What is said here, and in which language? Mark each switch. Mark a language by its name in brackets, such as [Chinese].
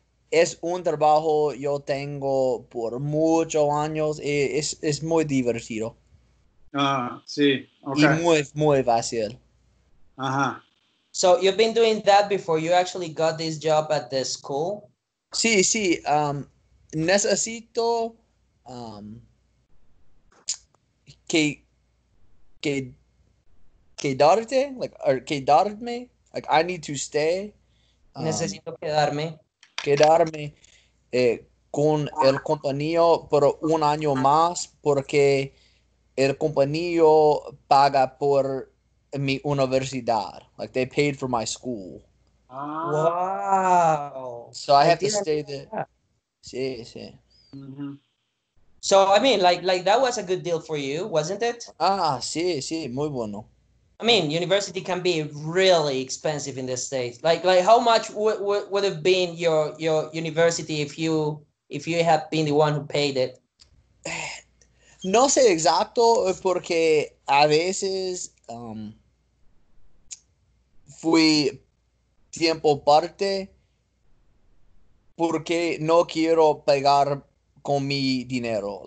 [Spanish] Es un trabajo yo tengo por muchos años y es muy divertido. Ah, sí, okay. Y muy, muy fácil. Ajá. [English] So you've been doing that before you actually got this job at the school? [Spanish] Sí, sí. Necesito quedarme. [English] Like, I need to stay. [Spanish] Necesito quedarme. Quedarme con el compañero por un año más porque el compañero paga por mi universidad. [English] Like, they paid for my school. Ah. Wow. So I have to stay there. [Spanish] Sí, sí. Mm-hmm. [English] So, I mean, like that was a good deal for you, wasn't it? [Spanish] Ah, sí, sí. Muy bueno. [English] I mean, university can be really expensive in the States. Like how much would have been your university if you had been the one who paid it? [Spanish] No sé exacto porque a veces fui tiempo parte porque no quiero pagar con mi dinero.